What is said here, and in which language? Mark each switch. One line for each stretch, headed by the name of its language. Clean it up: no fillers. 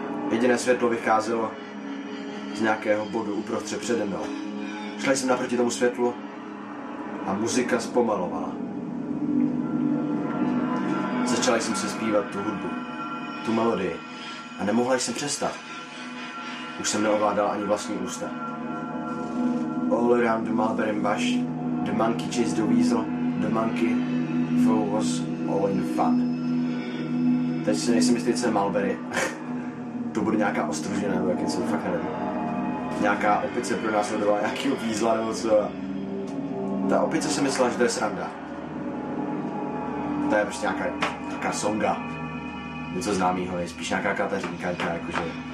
Czech: Jediné světlo vycházelo z nějakého bodu uprostřed přede mnou. Šla jsem naproti tomu světlu a muzika zpomalovala. Začala jsem si zpívat tu hudbu, tu melodii. A nemohla jsem přestat. Už jsem neovládal ani vlastní ústa.
English: All around the mulberry bush, the monkey chased the weasel, the monkey fool was all in fun.
Czech: Teď si nejsem jistý, co je mulberry. To bude nějaká ostružina, nebo jaký, co fakt nevím. Nějaká opice pro nás hledovala nějakýho vízla, nebo co. Ta opice si myslela, že to je sranda. To je prostě nějaká taká songa. Něco známýho, je spíš nějaká Kateřinka, jakože...